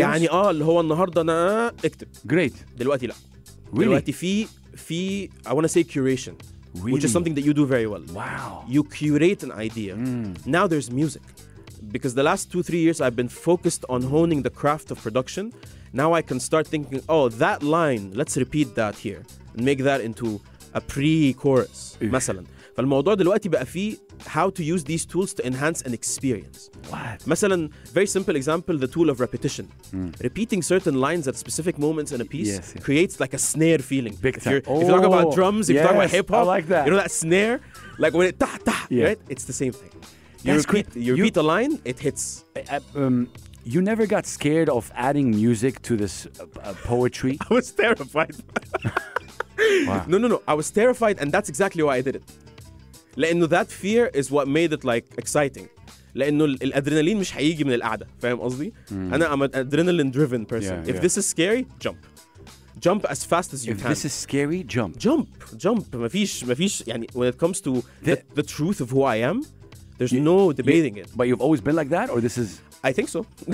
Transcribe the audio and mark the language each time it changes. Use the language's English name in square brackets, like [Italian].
[Arabic] يعني اللي هو النهاردة أنا أكتب. [English] Great. [Arabic] دلوقتي لا. [English] Really. [Arabic] دلوقتي في [English] I want to say curation, really? Which is something that you do very well. Wow. You curate an idea. Mm. Now there's music. Because the last 2-3 years I've been focused on honing the craft of production. Now I can start thinking, oh, that line, let's repeat that here and make that into a pre-chorus. [Arabic] مثلا فالموضوع دلوقتي بقى فيه [English] how to use these tools to enhance an experience. What? [Arabic] مثلا [English] very simple example, the tool of repetition. Repeating certain lines at specific moments in a piece yes, yes. creates like a snare feeling. Big time. If you talk about drums, if yes, you talk about hip hop, I like that. You know that snare, like when it ta ta, yeah. right? It's the same thing. You repeat a line, it hits. You never got scared of adding music to this poetry? I was terrified. Wow. No. I was terrified, and that's exactly why I did it. [Arabic] لأنه [English] that fear is what made it like exciting. [Arabic] لأنه الأدرينالين مش هيجي من القعدة. فاهم قصدي? أنا [English] I'm an adrenaline-driven person. Yeah, if this is scary, jump. Jump as fast as you can. If this is scary, jump. Jump. [Arabic] مفيش يعني [English] when it comes to the truth of who I am, there's no debating it. But you've always been like that, or this is... I think so.